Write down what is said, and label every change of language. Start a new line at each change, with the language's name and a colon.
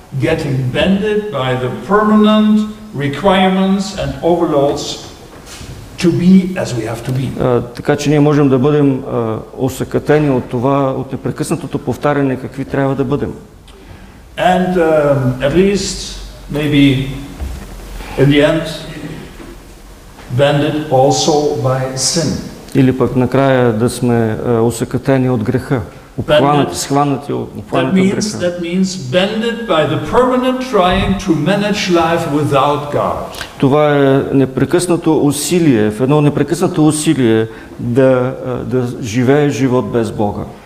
English: Getting bended by the permanent requirements and overloads to be as we have to be.
Bulgarian: Така че ние можем да бъдем осъкътени от това, от непрекъснатото повтаряне какви трябва да бъдем.
English: And at least maybe in the end bended also by sin.
Bulgarian: Или пък накрая да сме осъкътени от греха. Обхванати, схванати от греха. Това е непрекъснато усилие, в едно непрекъснато усилие да живееш живот без Бога.